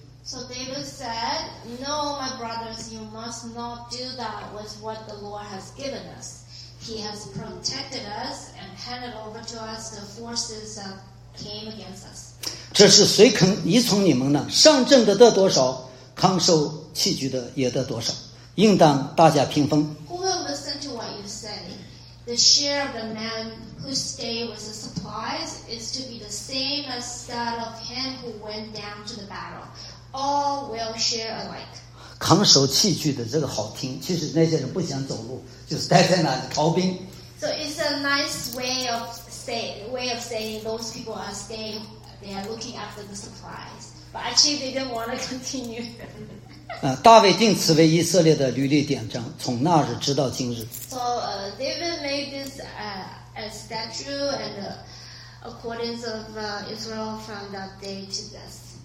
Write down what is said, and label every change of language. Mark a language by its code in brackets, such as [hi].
[en] So David said, No, my brothers, you must not do that with what the Lord has given us. He has protected us and handed over to us the forces that came against us. [zh] 这是谁肯依从你们呢？上阵的得多少，扛受器具的也得多少，应当大家平分。 [en] Who will listen to what you say? The share of the man who stayed with the supplies is to be the same as that of him who went down to the battle. All will share alike. [zh] 扛手器具的这个好听，其实那些人不想走路，就是待在那里逃兵。 [en] So it's a nice way of saying those people are staying, they are looking after the supplies. But actually they don't want to continue. [zh] 大卫定此为以色列的律例典章，从那日直到今日。 [en] So David made this a statute and accordance of Israel from that day to this.